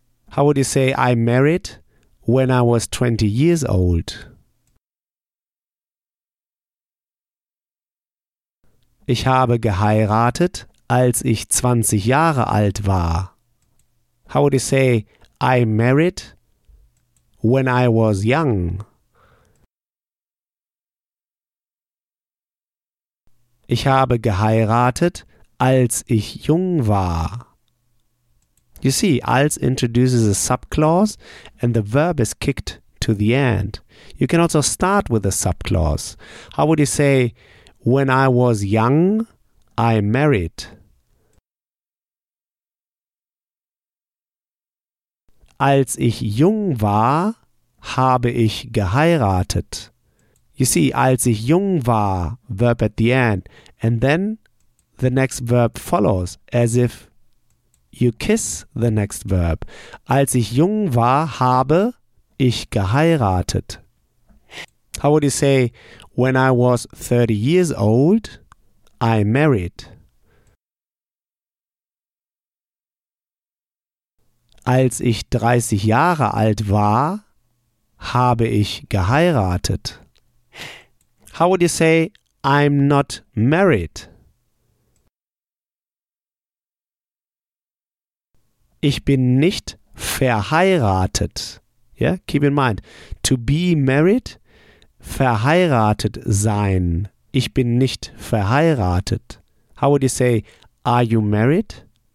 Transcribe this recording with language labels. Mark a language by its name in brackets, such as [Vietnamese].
[English] How would you say I married when I was 20 years old? [German] Ich habe geheiratet, als ich 20 Jahre alt war. [English] How would you say I married when I was young? [German] Ich habe geheiratet, als ich jung war. [English] You see, als introduces a subclause and the verb is kicked to the end. You can also start with a subclause. How would you say, when I was young, I married? [German] Als ich jung war, habe ich geheiratet. [English] You see, [German] als ich jung war, [English] verb at the end, and then the next verb follows, as if you kiss the next verb. [German] Als ich jung war, habe ich geheiratet. [English] How would you say, when I was 30 years old, I married? [German] Als ich 30 Jahre alt war, habe ich geheiratet. [English] How would you say, I'm not married? [German] Ich bin nicht verheiratet. [English] Yeah, keep in mind, to be married, verheiratet sein. [German] Ich bin nicht verheiratet. [English] How would you say, are you married?